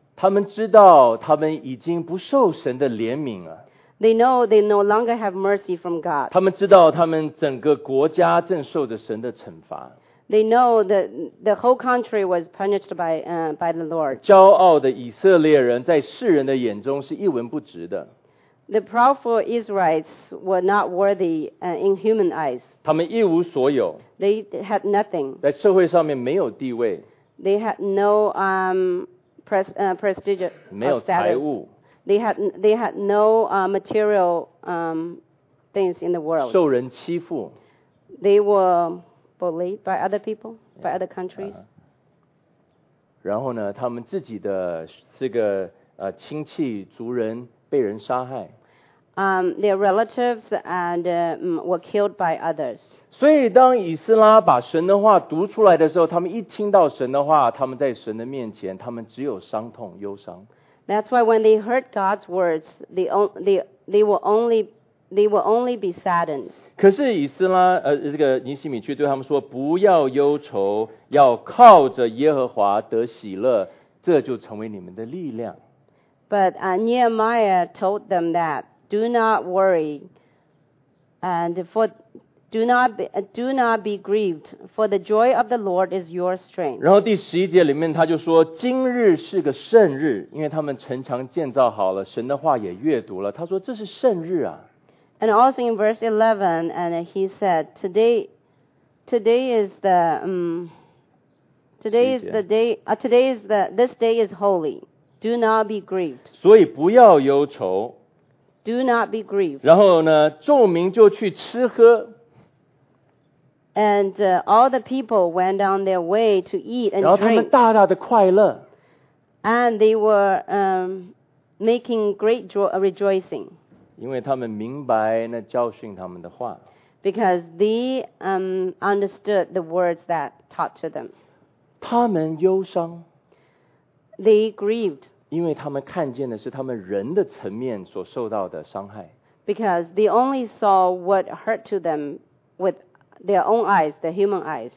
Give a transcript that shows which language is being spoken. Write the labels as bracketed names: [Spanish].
[Chinese] 他们知道他们已经不受神的怜悯了。 [English] They know they no longer have mercy from God. [Chinese] 他们知道他们整个国家正受着神的惩罚。 [English] They know that the whole country was punished by the Lord. [Chinese] 骄傲的以色列人在世人的眼中是一文不值的。 [English] The proudful Israelites were not worthy in human eyes. [Chinese] 他们一无所有。 [English] They had nothing. [Chinese] 在社会上面没有地位。 [English] They had no prestige or status. [Chinese] 没有财物。 [English] They had no material things in the world. [Chinese] 受人欺负。 [English] They were bullied by other people, by other countries. [Chinese] 然后呢，他们自己的这个亲戚族人被人杀害。 [English] Their relatives and were killed by others. [Chinese] 所以当以斯拉把神的话读出来的时候，他们一听到神的话，他们在神的面前，他们只有伤痛忧伤。 [English] That's why when they heard God's words, they will only be saddened. [Chinese] 可是以斯拉这个尼希米却对他们说，不要忧愁，要靠着耶和华得喜乐，这就成为你们的力量。 [English] But Nehemiah told them that do not worry, and do not be grieved, for the joy of the Lord is your strength. [Chinese] 然后第十一节里面他就说今日是个圣日，因为他们城墙建造好了，神的话也阅读了，他说这是圣日啊。 [English] And also in verse 11, and he said, today is the day, this day is holy. Do not be grieved. [Chinese] 所以不要忧愁。 [English] Do not be grieved. [Chinese] 然后呢，众民就去吃喝。 [English] And all the people went on their way to eat and drink. [Chinese] 然后他们大大的快乐。 [English] And they were making great rejoicing. [Chinese] 因为他们明白那教训他们的话。 [English] Because they understood the words that taught to them. [Chinese] 他们忧伤。 [English] They grieved. [Chinese] 因为他们看见的是他们人的层面所受到的伤害。 [English] Because they only saw what hurt to them with their own eyes, the human eyes.